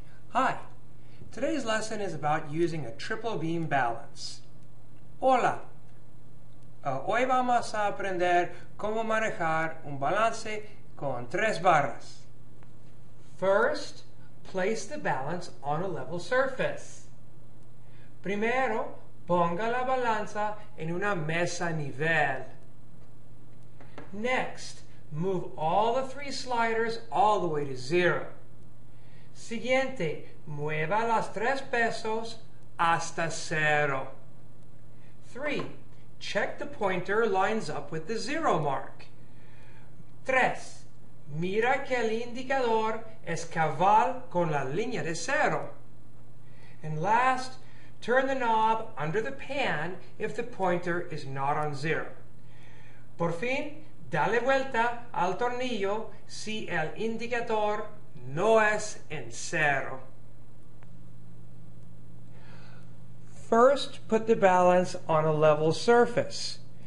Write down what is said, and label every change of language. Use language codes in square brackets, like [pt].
[en] Hi, today's lesson is about using a triple beam balance. [es] Hola, hoy vamos a aprender cómo manejar un balance con tres barras. [en] First, place the balance on a level surface. [es] Primero, ponga la balanza en una mesa nivel. [en] Next, move all the three sliders all the way to zero. [es] Siguiente, mueva las tres pesos hasta cero. 3. [en] Check the pointer lines up with the zero mark. 3. [es] Mira que el indicador es cabal con la línea de cero. [en] And last, turn the knob under the pan if the pointer is not on zero. [es] Por fin, dale vuelta al tornillo si el indicador no es en cero. [en] First, put the balance on a level surface.